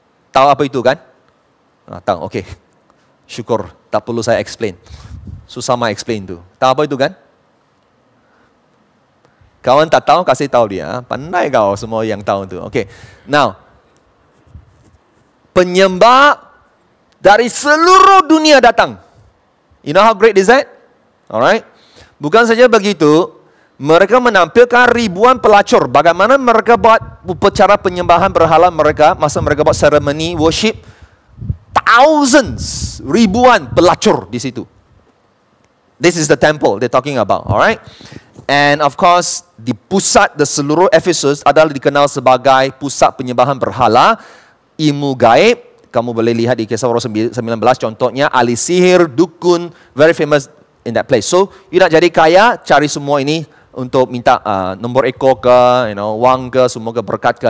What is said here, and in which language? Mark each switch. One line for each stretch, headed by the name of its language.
Malay: Tahu apa itu kan? Tahu, okay. Syukur, tak perlu saya explain. Susah mah explain tu. Tahu apa itu kan? Kawan tak tahu, kasih tahu dia. Pandai kau semua yang tahu tu. Okay, now. Penyembah dari seluruh dunia datang.
English: You know how great is that?
Malay: Alright. Bukan saja begitu, mereka menampilkan ribuan pelacur. Bagaimana mereka buat upacara penyembahan berhala mereka, masa mereka buat ceremony worship, thousands, ribuan pelacur di situ.
English: This is the temple they're talking about, alright?
Malay: And of course, di pusat di seluruh Ephesus adalah dikenal sebagai pusat penyembahan berhala, ilmu gaib. Kamu boleh lihat di Kisah Rasul 19, contohnya ahli sihir, dukun, very famous in that place. So, you nak jadi kaya, cari semua ini untuk minta nombor ekor ke, you know, wang ke, semua ke, berkat ke.